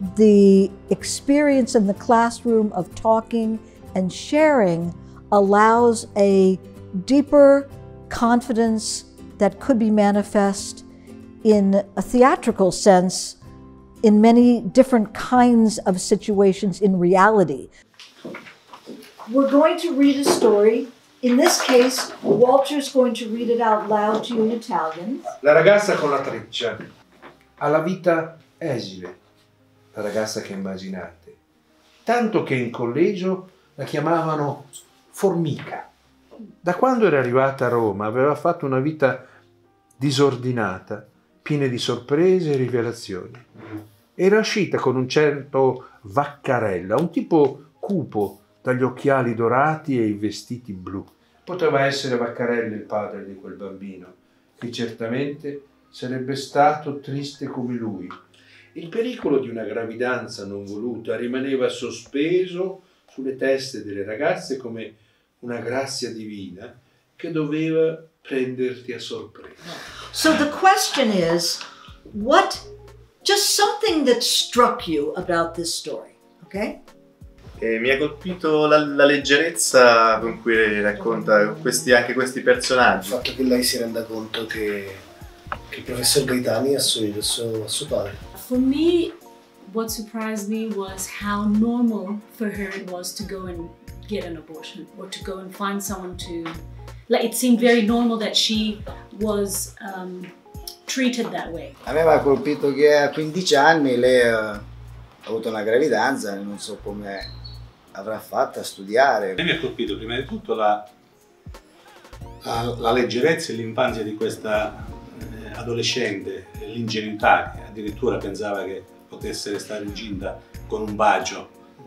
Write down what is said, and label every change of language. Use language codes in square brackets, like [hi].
[en] The experience in the classroom of talking and sharing allows a deeper confidence that could be manifest in a theatrical sense in many different kinds of situations in reality. We're going to read a story. In this case, Walter's going to read it out loud to you in Italian. [it] La ragazza con la treccia ha la vita esile, la ragazza che immaginate, tanto che in collegio la chiamavano formica. Da quando era arrivata a Roma aveva fatto una vita disordinata, piena di sorprese e rivelazioni. Era uscita con un certo Vaccarella, un tipo cupo dagli occhiali dorati e i vestiti blu. Poteva essere Vaccarella il padre di quel bambino, che certamente sarebbe stato triste come lui. Il pericolo di una gravidanza non voluta rimaneva sospeso sulle teste delle ragazze come una grazia divina che doveva prenderti a sorpresa. [en] So the question is, what, just something that struck you about this story, okay? [it] Mi ha colpito la leggerezza con cui lei racconta anche questi personaggi. Il fatto che lei si renda conto che il professor Gaetani ha assomigliato a suo padre. [en] For me, what surprised me was how normal for her it was to go and get an abortion or to go and find someone to... Like, it seemed very normal that she was treated that way. [it] Aveva colpito che a 15 anni lei ha avuto una gravidanza e non so come avrà fatto a studiare. E mi ha colpito prima di tutto la leggerezza e l'infanzia di questa adolescente, l'ingenuità, che addirittura pensava che potesse restare incinta con un bacio.